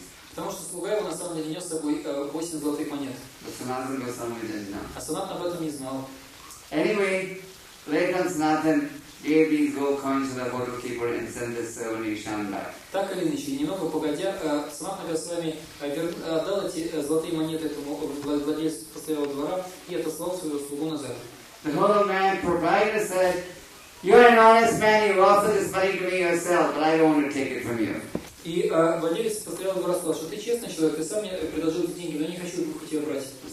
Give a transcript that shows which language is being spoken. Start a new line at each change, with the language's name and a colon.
Russian: Потому что слуга его на самом деле нес с собой 8 золотых монет. А Санатан об этом не знал.
English: Anyway, later on Sanatan gave these gold coins to the hotel keeper and sent his servant Ishan back.
Russian: Так или иначе, немного погодя, Санатан с вами отдал эти золотые монеты этому владельцу постоялого двора и отослал своего слугу назад.
English: The hotel man provided and said, "You're an honest man, you offered this money to me yourself, but I don't want to take it from you."
Russian: И владелец постоялого двора сказал, что ты честный человек, ты сам мне предложил эти деньги, но не хочу их у тебя брать.